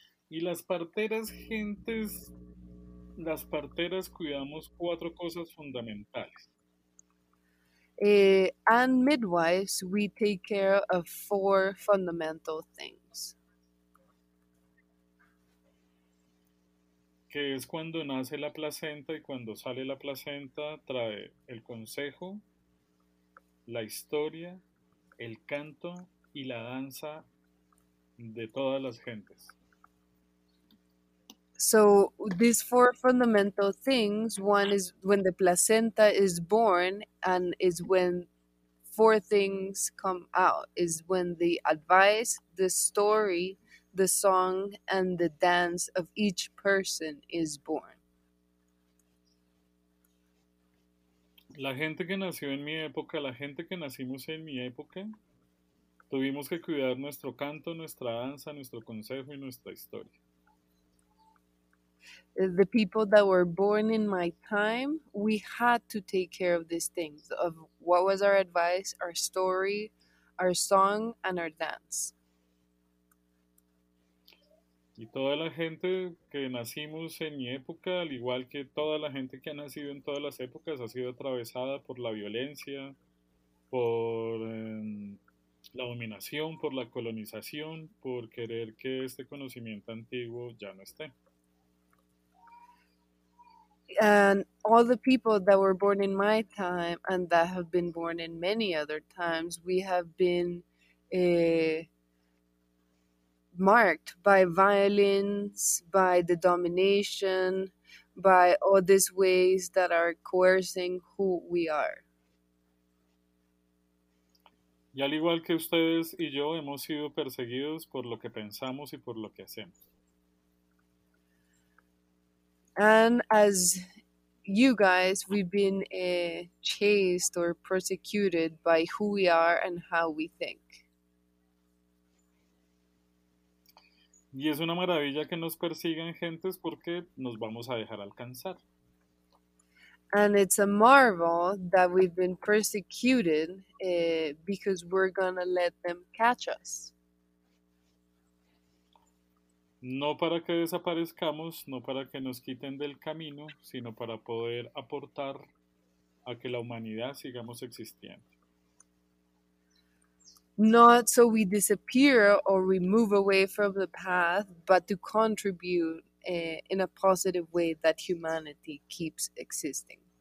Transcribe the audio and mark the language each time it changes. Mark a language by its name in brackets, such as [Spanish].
[Spanish] Y las parteras, gentes, las parteras cuidamos cuatro cosas fundamentales. [English] And midwives, we take care of four fundamental things. [Spanish] Que es cuando nace la placenta y cuando sale la placenta trae el consejo, la historia, el canto y la danza de todas las gentes. [English] So these four fundamental things, one is when the placenta is born and is when four things come out, is when the advice, the story, the song and the dance of each person is born. [Spanish] La gente que nació en mi época, la gente que nacimos en mi época, Tuvimos que cuidar nuestro canto, nuestra danza, nuestro consejo y nuestra historia. [English] The people that were born in my time, we had to take care of these things, of what was our advice, our story, our song, and our dance. [Spanish] Y toda la gente que nacimos en mi época, al igual que toda la gente que ha nacido en todas las épocas, ha sido atravesada por la violencia, por la dominación, por la colonización, por querer que este conocimiento antiguo ya no esté. [English] And all the people that were born in my time and that have been born in many other times, we have been marked by violence, by the domination, by all these ways that are coercing who we are. [Spanish] Y al igual que ustedes y yo, hemos sido perseguidos por lo que pensamos y por lo que hacemos. [English] And as you guys, we've been chased or persecuted by who we are and how we think. [Spanish] Y es una maravilla que nos persigan gentes porque nos vamos a dejar alcanzar. [English] And it's a marvel that we've been persecuted because we're gonna let them catch us. [Spanish] No para que desaparezcamos, no para que nos quiten del camino, sino para poder aportar a que la humanidad sigamos existiendo. [English] Not so we disappear or we move away from the path, but to contribute in a positive way that humanity keeps existing.